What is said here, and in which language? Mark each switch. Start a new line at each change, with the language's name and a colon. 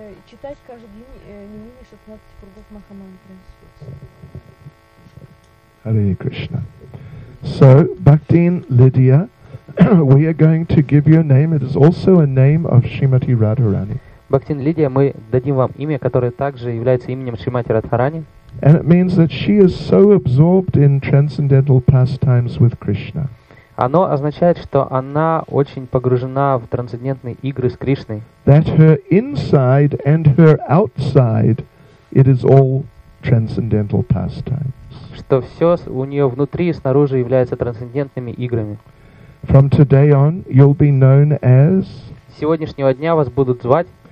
Russian: Читать каждый день не менее 16 кругов Махамантры.
English: Hare Krishna. So, Bhaktin Lydia, we are going to give you a name. It is also a name of Shrimati Radharani.
Russian: Bhaktin Lydia, мы дадим вам имя, которое также является именем Шримати Радхарани.
English: And it means that she is so absorbed in transcendental pastimes with Krishna.
Russian: Оно означает, что она очень погружена в трансцендентные игры с Кришной.
English: That her inside and her outside, it is all transcendental pastimes.
Russian: Что все у нее внутри и снаружи является трансцендентными играми.
English: From today on, you'll be known as.
Russian: С сегодняшнего дня вас будут звать